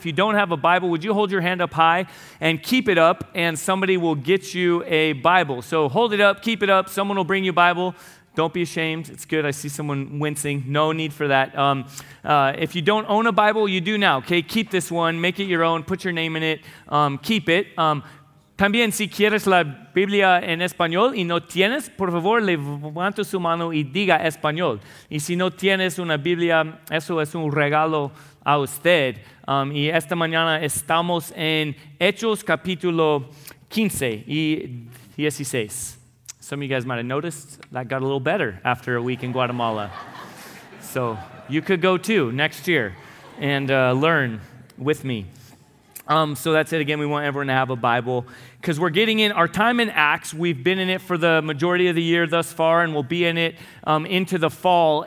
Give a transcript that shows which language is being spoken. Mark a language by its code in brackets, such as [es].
[en] If you don't have a Bible, would you hold your hand up high and keep it up, and somebody will get you a Bible. So hold it up, keep it up. Someone will bring you a Bible. Don't be ashamed. It's good. I see someone wincing. No need for that. If you don't own a Bible, you do now. Okay, keep this one. Make it your own. Put your name in it. Keep it. [es] También, si quieres la Biblia en español y no tienes, por favor, levanta su mano y diga español. Y si no tienes una Biblia, eso es un regalo a usted. Y esta mañana estamos en Hechos capítulo 15 y 16. [en] Some of you guys might have noticed that got a little better after a week in Guatemala. So you could go too next year and learn with me. So that's it. Again, we want everyone to have a Bible. because we're getting in our time in Acts. We've been in it for the majority of the year thus far, and we'll be in it into the fall.